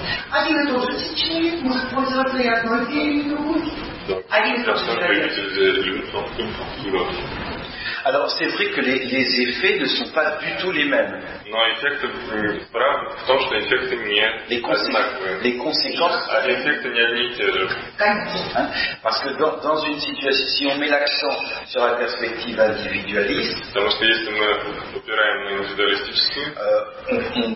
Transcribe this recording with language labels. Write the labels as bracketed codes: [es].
[ru] Один и тот же человек может пользоваться и одной дверью, и другой. Один профессор. [fr] Alors, c'est vrai que les effets ne sont pas du tout les mêmes. [ru] Но эффекты правда в том, что эффекты не одинаковые. А эффекты не одни и те же. [fr] Parce que dans une situation, si on met l'accent sur la perspective individualiste, [ru] потому что если мы упираем на индивидуалистическую,